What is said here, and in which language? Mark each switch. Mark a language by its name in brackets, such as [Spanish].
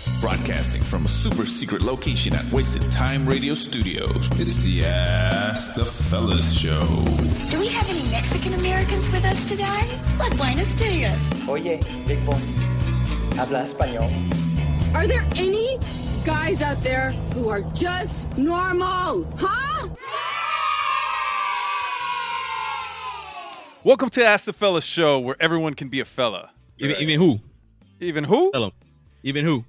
[English] broadcasting from a super secret location at Wasted Time Radio Studios. It is the Ask the Fellas Show. Do we have any Mexican Americans with us today? Like [Spanish] Buenos Dias. Oye, Big Boy, habla español. [English] Are there any guys out there who are just normal, huh? Welcome to Ask the Fellas Show, where everyone can be a fella. Even who? Tell him. Even who?